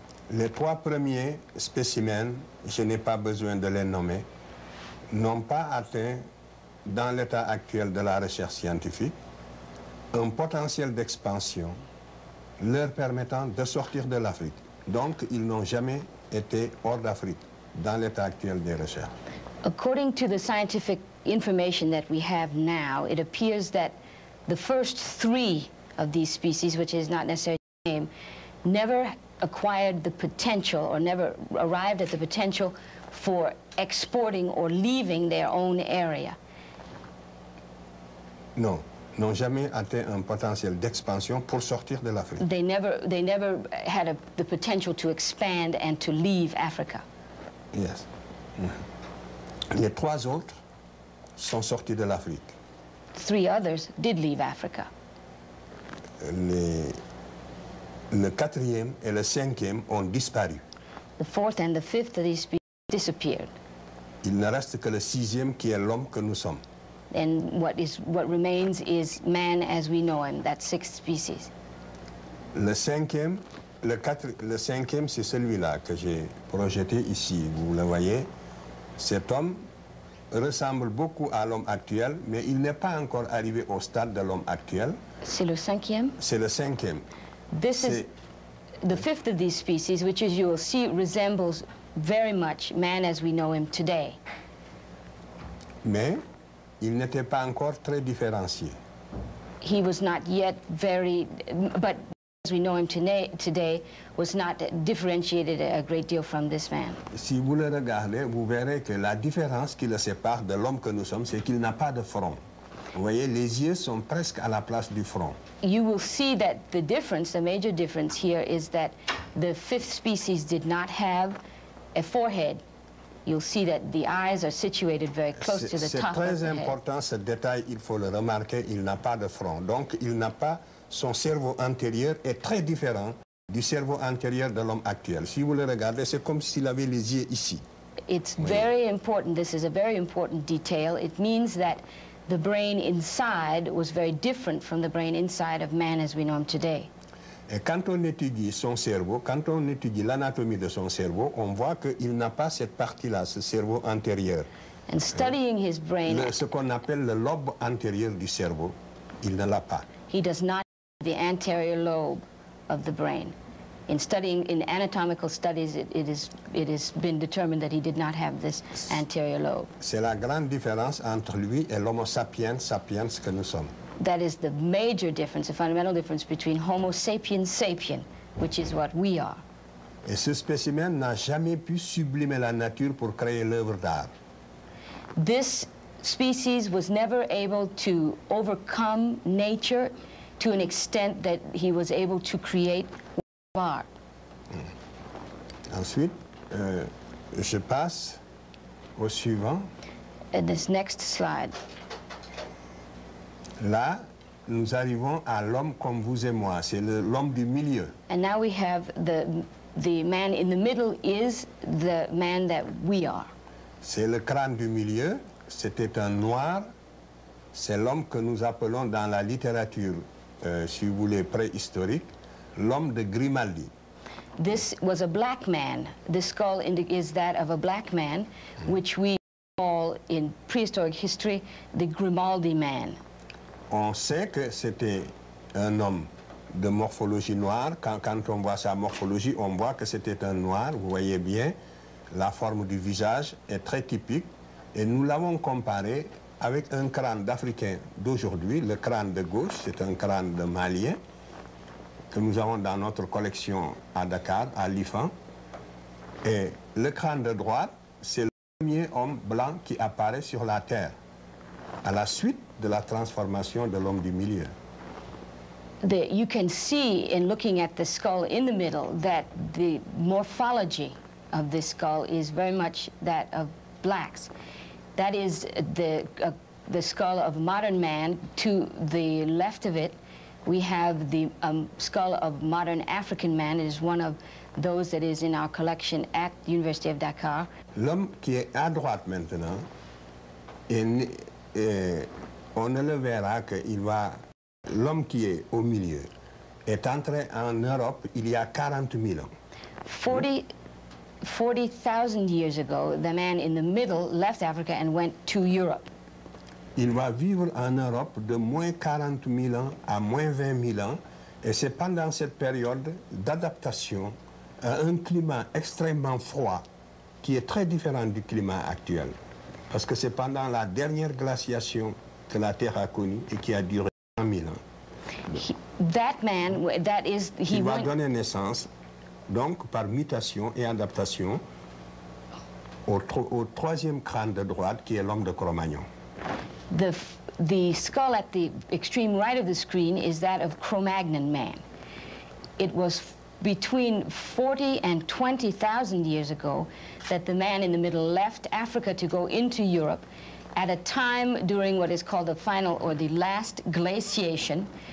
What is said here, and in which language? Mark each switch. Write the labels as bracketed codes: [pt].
[fr] Les trois premiers spécimens, je n'ai pas besoin de les nommer, n'ont pas atteint, dans l'état actuel de la recherche scientifique, un potentiel d'expansion leur permettant de sortir de l'Afrique. Donc, ils n'ont jamais été hors d'Afrique dans l'état actuel des recherches. [en] According to the scientific information that we have now, it appears that the first three of these species, which is not necessarily the name, never acquired the potential or never arrived at the potential for exporting or leaving their own area. No, [fr] n'ont jamais atteint un potentiel d'expansion pour sortir de l'Afrique. [en] They never had the potential to expand and to leave Africa. Yes. [fr] Les trois autres sont sortis de l'Afrique. [en] Three others did leave Africa. [fr] Le quatrième et le cinquième ont disparu. [en] The fourth and the fifth of these species disappeared. [fr] Il ne reste que le sixième qui est l'homme que nous sommes. [en] then what remains is man as we know him, that sixth species. [fr] Le cinquième, c'est celui-là que j'ai projeté ici. Vous le voyez, cet homme ressemble beaucoup à l'homme actuel, mais il n'est pas encore arrivé au stade de l'homme actuel. C'est le cinquième? C'est le cinquième. [en] This is the fifth of these species, which, as you will see, resembles very much man as we know him today. [fr] Mais il n'était pas encore très différencié. [en] He was not yet very, but as we know him today, was not differentiated a great deal from this man. [fr] Si vous le regardez, vous verrez que la différence qui le sépare de l'homme que nous sommes, c'est qu'il n'a pas de front. Vous voyez, les yeux sont presque à la place du front. [en] You will see that the difference, the major difference here, is that the fifth species did not have a forehead. You'll see that the eyes are situated very close to the top of the head. [fr] C'est très important ce détail, il faut le remarquer, il n'a pas de front. Donc il n'a pas, son cerveau antérieur est très différent du cerveau antérieur de l'homme actuel. Si vous le regardez, c'est comme s'il avait les yeux ici. [en] It's very important, this is a very important detail. It means that the brain inside was very different from the brain inside of man as we know him today. [fr] Et quand on étudie son cerveau, quand on étudie l'anatomie de son cerveau, on voit qu'il n'a pas cette partie-là, ce cerveau antérieur. [en] And studying his brain, [fr] ce qu'on appelle le lobe antérieur du cerveau, il ne l'a pas. [en] He does not have the anterior lobe of the brain. In studying, in anatomical studies, it has been determined that he did not have this anterior lobe. [fr] C'est la grande différence entre lui et l'homo sapiens sapiens que nous sommes. [en] That is the major difference, the fundamental difference between Homo sapiens sapiens, which is what we are. [fr] Et ce spécimen n'a jamais pu sublimer la nature pour créer l'œuvre d'art. [en] This species was never able to overcome nature to an extent that he was able to create work of art. [fr] Ensuite, je passe au suivant. [en] And this next slide. [fr] Là, nous arrivons à l'homme comme vous et moi. C'est l'homme du milieu. [en] And now we have the man in the middle is the man that we are. [fr] C'est le crâne du milieu. C'était un noir. C'est l'homme que nous appelons dans la littérature, si vous voulez, préhistorique, l'homme de Grimaldi. [en] This was a black man. This skull is that of a black man, which we call in prehistoric history the Grimaldi man. [fr] On sait que c'était un homme de morphologie noire. Quand on voit sa morphologie, on voit que c'était un noir. Vous voyez bien, la forme du visage est très typique. Et nous l'avons comparé avec un crâne d'Africain d'aujourd'hui. Le crâne de gauche, c'est un crâne de Malien que nous avons dans notre collection à Dakar, à l'IFAN. Et le crâne de droite, c'est le premier homme blanc qui apparaît sur la Terre à la suite de la transformation de l'homme du milieu. [en] You can see in looking at the skull in the middle that the morphology of this skull is very much that of blacks. That is the skull of modern man. To the left of it, we have the skull of modern African man. It is one of those that is in our collection at the University of Dakar. [fr] L'homme qui est à droite maintenant, on ne le verra que il va. L'homme qui est au milieu est entré en Europe il y a 40 000 ans. [en] 40,000 years ago, the man in the middle left Africa and went to Europe. [fr] Il va vivre en Europe de moins 40 000 ans à moins 20 000 ans, et c'est pendant cette période d'adaptation à un climat extrêmement froid qui est très différent du climat actuel, parce que c'est pendant la dernière glaciation que la Terre a connue et qui a duré 100 000 ans. Donner naissance, donc, par mutation et adaptation, au troisième crâne de droite, qui est l'homme de Cro-Magnon. [en] The skull at the extreme right of the screen is that of Cro-Magnon man. It was between 40 and 20,000 years ago that the man in the middle left Africa to go into Europe at a time during what is called the final or the last glaciation.